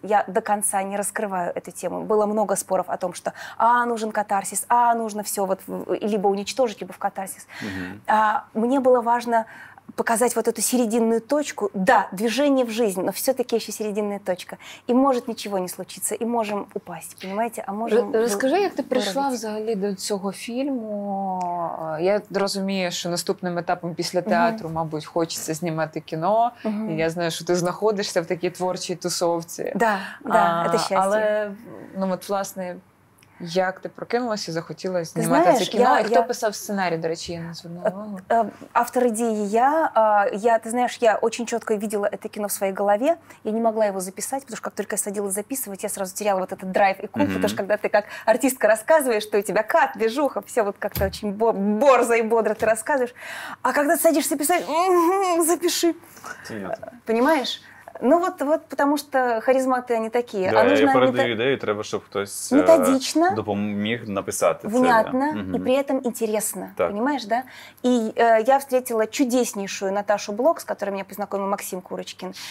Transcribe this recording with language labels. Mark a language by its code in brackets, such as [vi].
[ru] Я до конца не раскрываю эту тему. Было много споров о том, что нужен катарсис, нужно все вот либо уничтожить, либо в катарсис. Мне было важно показать вот эту серединную точку. Да, движение в жизнь, но все-таки еще серединная точка. И может ничего не случиться, и можем упасть, понимаете? А можем... [uk] Розкажи, як ти прийшла взагалі до цього фільму? Я розумію, що наступним етапом після театру, мабуть, хочеться знімати кіно. І я знаю, що ти знаходишся в такій творчій тусовці. [ru] Да, да, это счастье. [uk] Але, ну, от, власне... Як ти прокинулася і захотіла знімати це кіно? І хто писав сценарій, до речі, я не звернула увагу? Автор ідеї я. Ти знаєш, я дуже чітко бачила це кіно в своїй голові. Я не могла його записати, тому що як тільки я садилась записувати, я одразу [ru] теряла вот этот драйв [uk] і кул, тому що коли ти як артистка розказуєш, що у тебе кат, движуха, [ru] все вот как-то [uk] дуже борзо і бодро ти розказуєш. А коли ти садишся писати, запиши. Понимаєш? [ru] Ну вот, вот потому что харизматы они такие. Да, а нужно, я передаю идею, [uk] треба, [ru] чтобы кто-то методично [uk] допоміг написати. [ru] Внятно и при этом интересно. Так. Понимаешь, да? И я встретила чудеснейшую Наташу Блок, с которой меня познакомил Максим Курочкин.